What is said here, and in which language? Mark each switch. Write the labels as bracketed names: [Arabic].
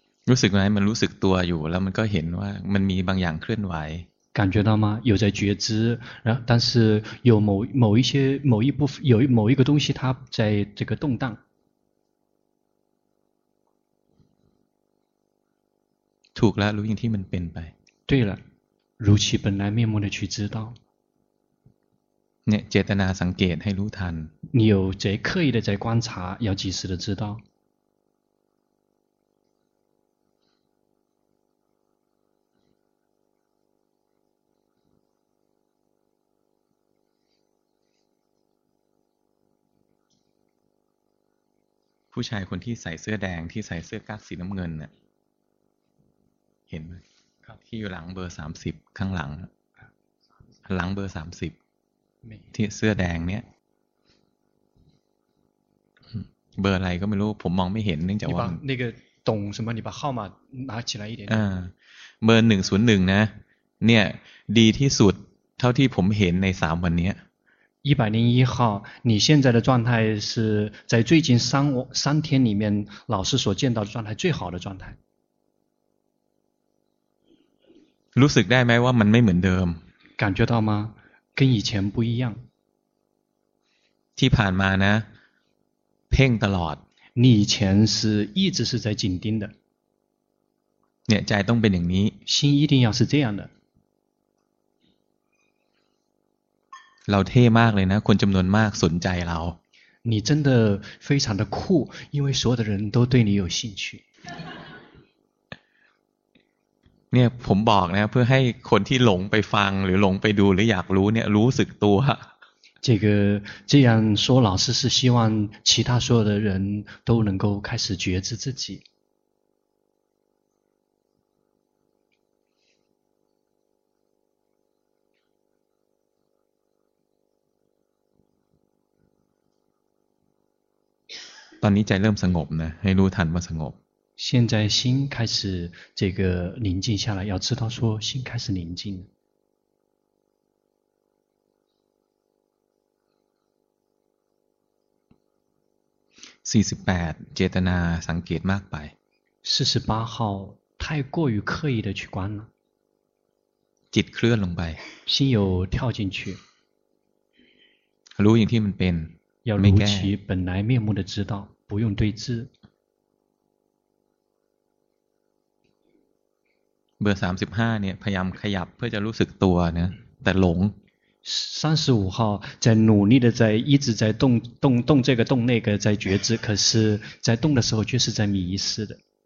[Thai] รู้สึกไหมมันรู้สึกตัวอยู่แล้วมันก็เห็นว่ามันมีบางอย่างเคลื่อนไหว [Chinese] 感觉到吗有在觉知然后但是有某一些某一部分有某一个东西它在这个动荡 [Thai] ถูกแล้วรู้อย่างที่มันเป็นไป [Chinese] 对了如其本来面目的去知道 [Thai] เนี่ยเจตนาสังเกตให้รู้ทัน [Chinese] 你有这刻意的在观察要及时的知道 [Thai] ผู้ชายคนที่ใส่เสื้อแดงที่ใส่เสื้อกั๊กสีน้ำเงินเนี่ยเห็น ครับ ที่อยู่หลังเบอร์30ข้างหลังหลังเบอร์30ที่เสื้อแดงเนี่ยเบอร์อะไรก็ไม่รู้ผมมองไม่เห็นเนื่องจากว่า [Chinese] 那个懂什么你把号码拿起来一点 [Thai] เบอร์101นะเนี่ยดีที่สุดเท่าที่ผมเห็นใน3วันเนี้ย [Chinese] 101号你现在的状态是在最近3天里面老师所见到的状态最好的状态 [Thai] รู้สึกได้ไหมว่ามันไม่เหมือนเดิม [Chinese] 感觉到吗跟以前不一样 [Thai] ที่ผ่านมานะเพ่งตลอด [Chinese] 你以前是一直是在紧盯的 [Thai] เนี่ยใจต้องเป็นอย่างนี้ [Chinese] 心一定要是这样的 [Thai] เราเท่มากเลยนะคนจำนวนมากสนใจเรา [Chinese] 你真的非常的酷因为所有的人都对你有兴趣 [Thai] เนี่ยผมบอกนะเพื่อให้คนที่หลงไปฟังหรือหลงไปดูหรืออยากรู้เนี่ยรู้สึกตัว [Chinese] 这个既然说老师是希望其他所有的人都能够开始觉知自己 [Thai] ตอนนี้ใจเริ่มสงบนะให้รู้ทันว่าสงบ [Chinese] 现在心开始这个宁静下来，要知道说心开始宁静了。 [Thai] 48เจตนาสังเกตมากไป [Chinese] 48号太过于刻意的去观了。 [Thai] จิตเคลื่อนลงไป [Chinese] 心有跳进去。 [Thai] รู้อย่างที่มันเป็น [Chinese] 要如其本来面目的知道，不用对峙。 [Thai] เบอร์35เนี่ยพยายามขยับเพื่อจะรู้สึกตัวนะแต่หลง [Chinese] 35号在努力的在一直在动这个动那个在觉知可是在动的时候却是在迷失的